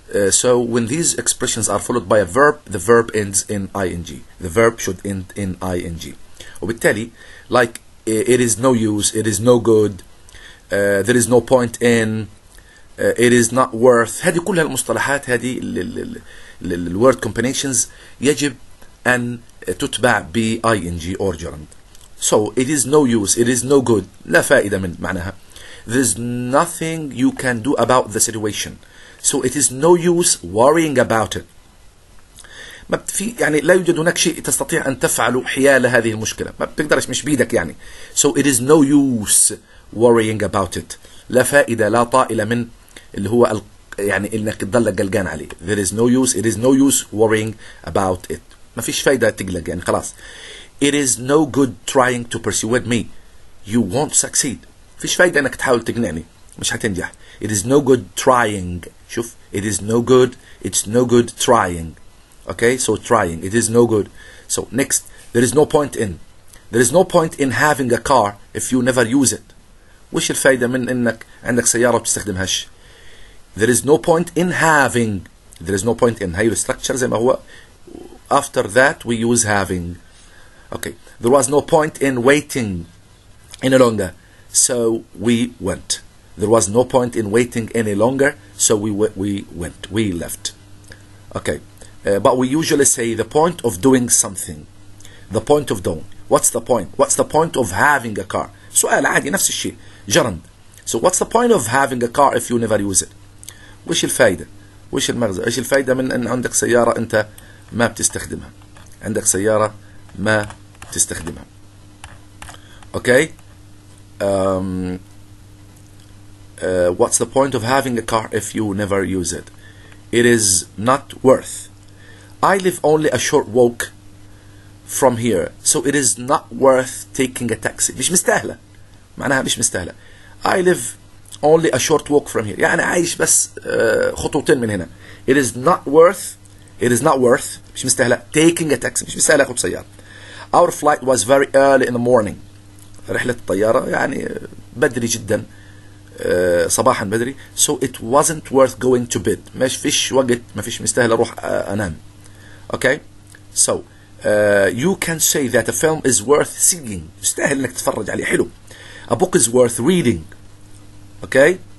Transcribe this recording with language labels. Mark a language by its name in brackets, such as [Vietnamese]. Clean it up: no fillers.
[English] So when these expressions are followed by a verb, the verb ends in ing. The verb should end in ing. وبالتالي, like it is no use, it is no good, there is no point in, it is not worth. [Arabic] هذه كلها المصطلحات هذه لل word combinations يجب أن تتبع ب ing or gerund. [English] So it is no use, it is no good. [Arabic] لا فائدة من معناها. [English] There is nothing you can do about the situation. So it is no use worrying about it. [Arabic] ما في يعني لا يوجد هناك شيء تستطيع أن تفعله حيال هذه المشكلة. ما بتقدرش مش بيدك يعني. [English] So it is no use worrying about it. [Arabic] لا فائدة لا طائلة من اللي هو يعني إنك تضلك قلقان عليه. [English] There is no use. It is no use worrying about it. [Arabic] ما فيش فائدة تقلق يعني خلاص. [English] It is no good trying to persuade me. You won't succeed. [Arabic] فيش فائدة إنك تحاول تقنعني. مش هتنجح. [English] It is no good trying. شوف it is no good, it's no good trying. Okay, so trying, it is no good. So next, there is no point in. There is no point in having a car if you never use it. [Arabic] وش الفايدة من انك عندك سيارة وبتستخدمهاش؟ [English] There is no point in having. There is no point in. [Arabic] هاي الستركتشر زي ما هو. [English] After that we use having. Okay, there was no point in waiting any longer. So we went. There was no point in waiting any longer, so we left. Okay, but we usually say the point of doing something, the point of doing. What's the point? What's the point of having a car? [Arabic] سؤال عادي نفس الشيء جرند. [English] So what's the point of having a car if you never use it? [Arabic] وش الفائدة؟ وش المغزى؟ إيش الفائدة من أن عندك سيارة أنت ما بتستخدمها؟ عندك سيارة ما بتستخدمها. [English] Okay. What's the point of having a car if you never use it? It is not worth. I live only a short walk from here, so it is not worth taking a taxi. [Arabic] مش مستاهلة. معناها مش مستاهلة. [English] I live only a short walk from here. [Arabic] يعني عايش بس خطوتين من هنا. [English] It is not worth. It is not worth. [Arabic] مش مستاهلة. [English] Taking a taxi. [Arabic] مش مستاهلة أخذ سيارة. [English] Our flight was very early in the morning. [Arabic] رحلة الطيارة يعني بدري جدا. صباحا بدري. [English] So it wasn't worth going to bed. [Arabic] مش فيش وقت، ما فيش مستاهل اروح انام. Okay. [English] So you can say that a film is worth seeing. [Arabic] مستاهل انك تتفرج عليه، حلو. [English] A book is worth reading. Okay.